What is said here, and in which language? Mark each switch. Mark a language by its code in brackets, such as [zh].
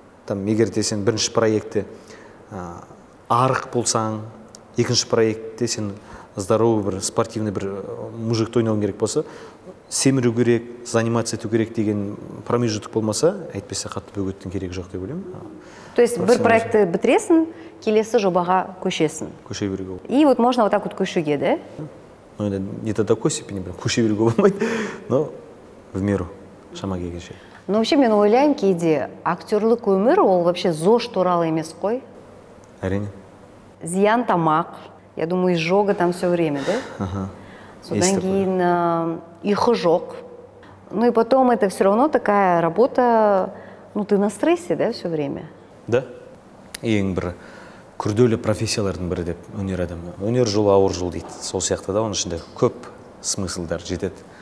[kk] Там, егер де сен бірінші проекті арық болсаң, екінші проектте сен здоровый бір спортивный бір мужикті ойнауың керек болса, семіру керек, заниматься ету керек деген промежуток болмаса, әйтпесе қатты бөгеттің керек жоқ деп ойлаймын. То есть бір проектті бітіресің, келесі жобаға көшесің. Көше беруге. [ru] И вот можно вот так вот көшуге, да? Ну, енді не до такой степени, бір көше беруге болмайды, но в меру, [kk] шама келгенше. Ну, вообще, мен ойлаймын кейде, актерлік өмір ол вообще ЗОЖ туралы емес қой. Әрине. Зиян тамақ. [ru] Я думаю, изжога там все время, да? Ага. Содангин, их изжог. Ну и потом это все равно такая работа, ну ты на стрессе, да, все время? Да. [kk] Ең бір, күрделі профессиялардың бірі деп, өнер адамы. Өнер жылы ауыр жыл дейді, сол сияқты да, оның ішінде көп смыслдар жетеді.